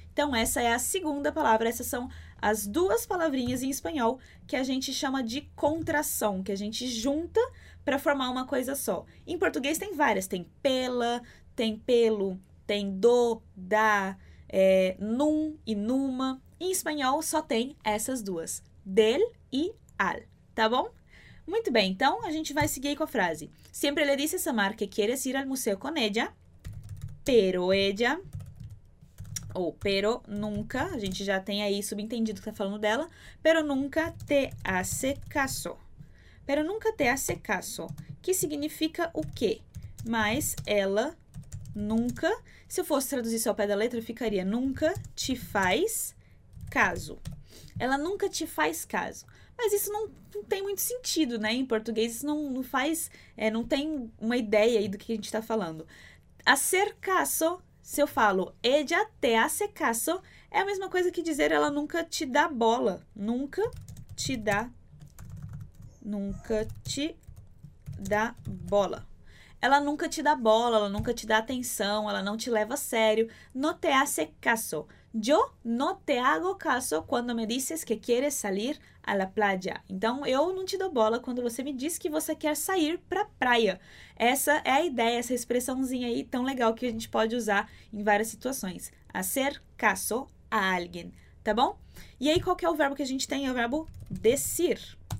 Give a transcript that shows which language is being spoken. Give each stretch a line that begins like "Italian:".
Portuguese: Então, essa é a segunda palavra. Essas são as duas palavrinhas em espanhol que a gente chama de contração, que a gente junta para formar uma coisa só. Em português tem várias: tem pela, tem pelo, tem do, da, num e numa. Em espanhol só tem essas duas: del e al. Tá bom? Muito bem, então a gente vai seguir com a frase.
Spanish: Siempre le dice a Samar que quiere ir al museo con ella, pero ella.
Portuguese: Ou
Spanish: pero nunca,
Portuguese: a gente já tem aí subentendido que tá falando dela,
Spanish: pero nunca te hace caso. Pero nunca te hace caso,
Portuguese: que significa o quê? Mas ela nunca, se eu fosse traduzir só ao pé da letra, ficaria nunca te faz caso. Ela nunca te faz caso. Mas isso não tem muito sentido, né? Em português isso não faz, não tem uma ideia aí do que a gente tá falando. Hacer caso. Se eu falo
Spanish: ella te hace caso,
Portuguese: é a mesma coisa que dizer ela nunca te dá bola. Nunca te dá. Nunca te dá bola. Ela nunca te dá bola, ela nunca te dá atenção, ela não te leva a sério.
Spanish: No te hace caso. Yo no te hago caso cuando me dices que quieres salir a la playa.
Portuguese: Então, eu não te dou bola quando você me diz que você quer sair pra praia. Essa é a ideia, essa expressãozinha aí tão legal que a gente pode usar em várias situações.
Spanish: Hacer caso a alguien,
Portuguese: tá bom? E aí, qual que é o verbo que a gente tem? É o verbo decir.